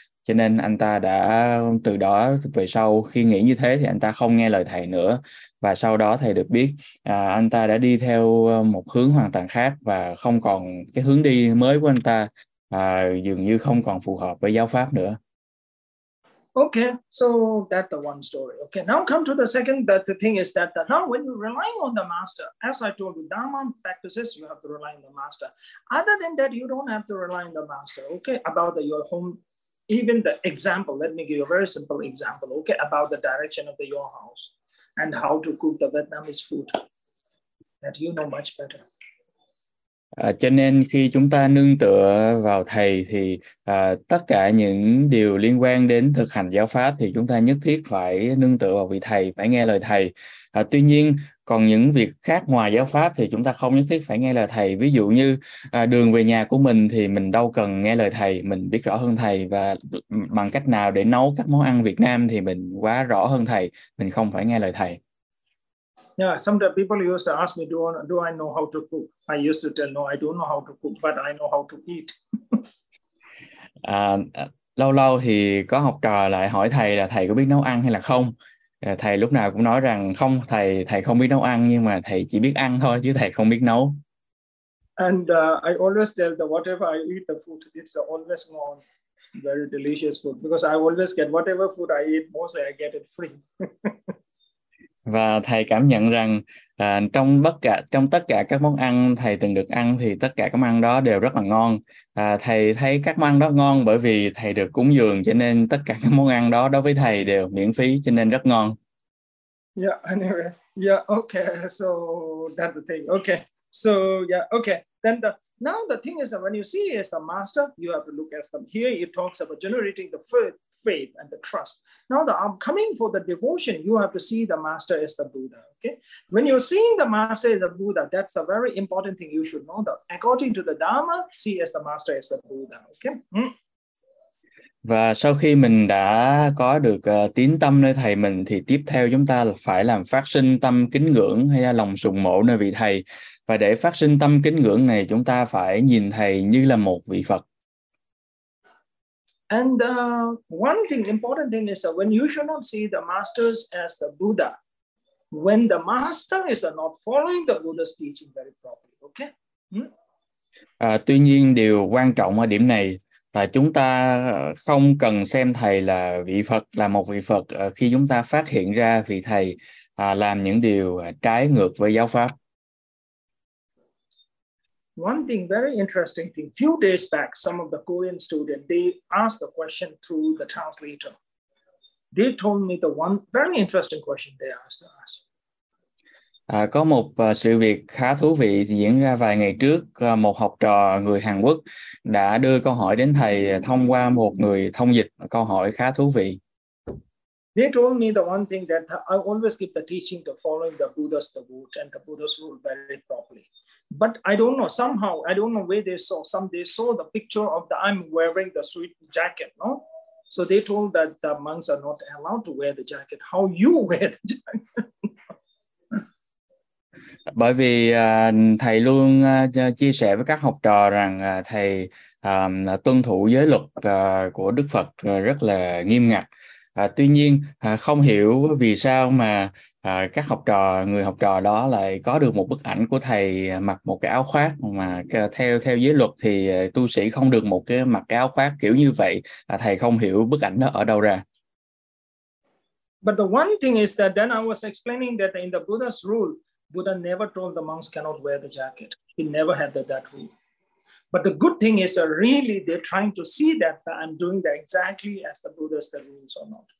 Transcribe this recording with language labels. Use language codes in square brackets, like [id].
[vi] Cho nên anh ta đã từ đó về sau khi nghĩ như thế thì anh ta không nghe lời thầy nữa. Và sau đó thầy được biết anh ta đã đi theo một hướng hoàn toàn khác và không còn cái hướng đi mới của anh ta dường như không còn phù hợp với giáo pháp nữa. [en] Okay, so that's the one story. Okay, now come to the second. The thing is that now when you're relying on the master, as I told you, Dhamma practices, you have to rely on the master. Other than that, you don't have to rely on the master. Okay, about your home. Even the example, let me give you a very simple example, okay, about the direction of your house and how to cook the Vietnamese food that you know much better. [vi] Cho nên khi chúng ta nương tựa vào thầy thì tất cả những điều liên quan đến thực hành giáo pháp thì chúng ta nhất thiết phải nương tựa vào vị thầy, phải nghe lời thầy. Tuy nhiên còn những việc khác ngoài giáo pháp thì chúng ta không nhất thiết phải nghe lời thầy. Ví dụ như đường về nhà của mình thì mình đâu cần nghe lời thầy, mình biết rõ hơn thầy. Và bằng cách nào để nấu các món ăn Việt Nam thì mình quá rõ hơn thầy, mình không phải nghe lời thầy. [en] Yeah, sometimes people used to ask me, do I know how to cook? I used to tell, no, I don't know how to cook, but I know how to eat. [vi] Lâu lâu thì có học trò lại hỏi thầy là thầy có biết nấu ăn hay là không? Thầy lúc nào cũng nói rằng không, thầy không biết nấu ăn, nhưng mà thầy chỉ biết ăn thôi, chứ thầy không biết nấu. [en] And I always tell that whatever I eat the food, it's always more very delicious food. Because I always get whatever food I eat, mostly I get it free. [vi] Và thầy cảm nhận rằng trong tất cả các món ăn thầy từng được ăn thì tất cả các món ăn đó đều rất là ngon. Thầy thấy các món ăn đó ngon bởi vì thầy được cúng dường, cho nên tất cả các món ăn đó đối với thầy đều miễn phí, cho nên rất ngon. [en] Yeah, anyway. Yeah, okay. So that's the thing. Okay. So yeah, okay. Then now the thing is that when you see as the master, you have to look at them. Here it talks about generating the faith. Faith and the trust. Now the upcoming for the devotion, you have to see the master as the Buddha. Okay. When you're seeing the master as the Buddha, that's a very important thing you should know. That according to the Dharma, see as the master as the Buddha. Okay. [vi] Và sau khi mình đã có được tín tâm nơi thầy mình thì tiếp theo chúng ta phải làm phát sinh tâm kính ngưỡng hay là lòng sùng mộ nơi vị thầy. Và để phát sinh tâm kính ngưỡng này, chúng ta phải nhìn thầy như là một vị Phật. [en] And one thing, important thing is that when you should not see the masters as the Buddha, when the master is not following the Buddha's teaching very properly, okay? [vi] Tuy nhiên điều quan trọng ở điểm này là chúng ta không cần xem thầy là vị Phật, là một vị Phật khi chúng ta phát hiện ra vị thầy làm những điều trái ngược với giáo pháp. [en] One thing very interesting thing, few days back, some of the Korean students, they asked the question through the translator. They told me the one very interesting question they asked us. [vi] Có một sự việc khá thú vị diễn ra vài ngày trước. Một học trò người Hàn Quốc đã đưa câu hỏi đến thầy thông qua một người thông dịch, câu hỏi khá thú vị. [en] They told me the one thing that I always keep the teaching to following the Buddha's route and the Buddha's rule very properly. But I don't know, somehow, I don't know where they saw. Some they saw the picture of the I'm wearing the sweet jacket, no? So they told that the monks are not allowed to wear the jacket. How you wear the jacket? [vi] Bởi vì thầy luôn chia sẻ với các học trò rằng thầy tuân thủ giới luật của Đức Phật rất là nghiêm ngặt. Tuy nhiên, không hiểu vì sao mà các học trò, người học trò đó lại có được một bức ảnh của thầy mặc một cái áo khoác mà theo giới luật thì tu sĩ không được một cái mặc cái áo khoác kiểu như vậy. Thầy không hiểu bức ảnh đó ở đâu ra. [en] But the one thing is that then I was explaining that in the Buddha's rule, Buddha never told the monks cannot wear the jacket. He never had that rule. But the good thing is, really, they're trying to see that I'm doing that exactly as the Buddha's the rules or not.